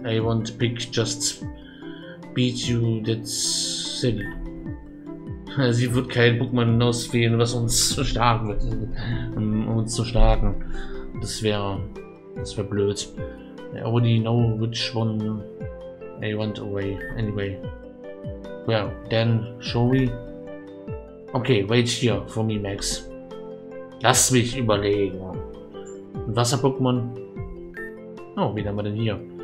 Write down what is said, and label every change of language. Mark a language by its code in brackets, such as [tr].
[en] I won't pick just beat you, that's silly. [de] Sie wird kein Pokémon auswählen, was uns so stark wird. Uns zu starken. Das wäre blöd. [en] I already know which one I want away anyway. Well, then shall we? Okay, wait here for me, Max. [de] Lass mich überlegen. Ein Wasser-Pokémon? Oh, wen haben wir denn hier?